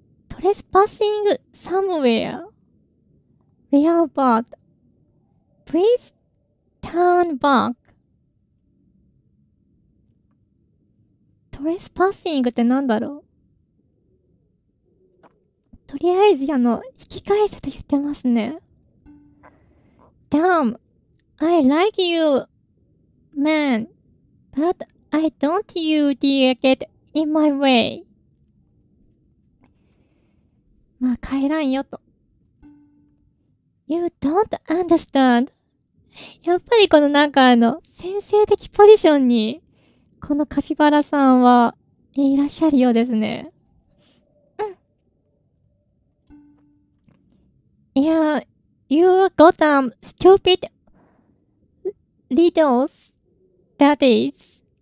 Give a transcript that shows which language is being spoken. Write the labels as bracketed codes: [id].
[en] Trespassing somewhere. Real bad. Please turn back. [ja] Trespassing ってなんだろう。とりあえず引き返せと言ってますね。 [en] Damn, I like you, man, but I don't you dare get in my way. [ja] まあ帰らんよと。 [en] You don't understand. [ja] やっぱりこのなんか先制的ポジションに、このカピバラさんはいらっしゃるようですね。うん。 [en] Yeah, you got some stupid riddles, that is.